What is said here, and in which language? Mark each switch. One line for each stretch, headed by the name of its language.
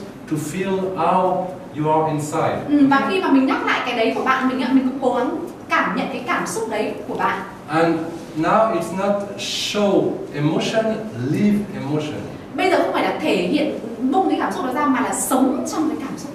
Vietnamese: Và khi mà mình nhắc lại cái đấy của bạn mình ạ, mình cũng cố gắng cảm nhận cái cảm xúc đấy của bạn.
English: And now it's not show emotion, live emotion.
Vietnamese: Bây giờ không phải là thể hiện bung cái cảm xúc đó ra mà là sống trong cái cảm xúc.